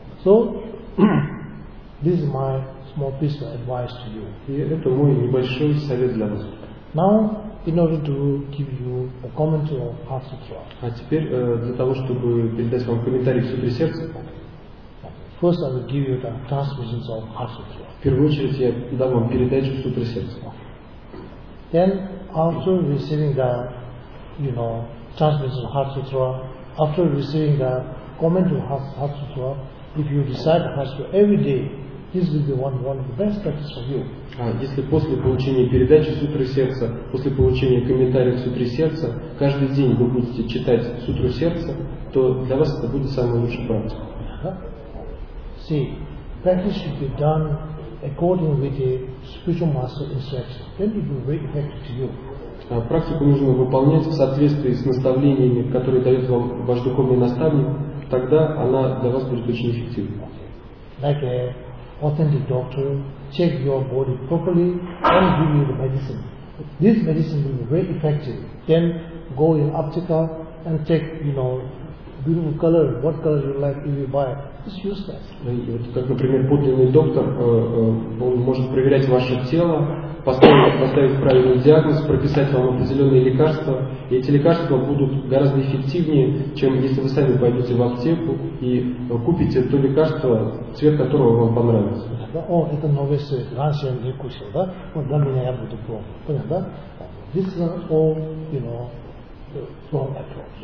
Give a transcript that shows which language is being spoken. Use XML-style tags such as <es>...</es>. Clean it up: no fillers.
<en>So this is my small piece of advice to you.</en> <ru>И это мой небольшой совет для вас.</ru> <en>Now, in order to give you a comment on Heart Sutra.</en> <ru>А теперь для того, чтобы передать вам комментарий к Сутре Сердца.</ru> <en>First, I will give you the transmissions of Heart Sutra.</en> <ru>В первую очередь я дам вам передачу Сутры Сердца.</ru> <en>Then, after receiving the, you know, transmission of Heart Sutra, after receiving the comment on Heart Sutra, if you recite Heart Sutra every day. This will be one of the best practices for you.</en> <ru>А если после получения передачи Сутры Сердца, после получения комментария к Сутре Сердца, каждый день вы будете читать Сутру Сердца, то для вас это будет самая лучшая практика.</ru> <en>See, practice should be done according with the spiritual master instruction. Then it will be very effective to you.</en> <ru>Практику нужно выполнять в соответствии с наставлениями, которые дает вам ваш духовный наставник, тогда она для вас будет очень эффективна.</ru> <en>Like a authentic doctor, check your body properly and give you the medicine. This medicine will be very effective. Then go in optical and check, you know, beautiful color, what color you like, if you buy it. It's useless.</en> <ru>Как, например, подлинный доктор, он может проверять ваше тело, поставить правильный диагноз, прописать вам определенные лекарства, и эти лекарства будут гораздо эффективнее, чем если вы сами пойдете в аптеку и купите то лекарство, цвет которого вам понравится. О, это новый цвет, раньше я не кушал, да? Вот для меня я буду пробовать. Понятно, да?</ru> <en>This is all, you know, wrong approach.</en>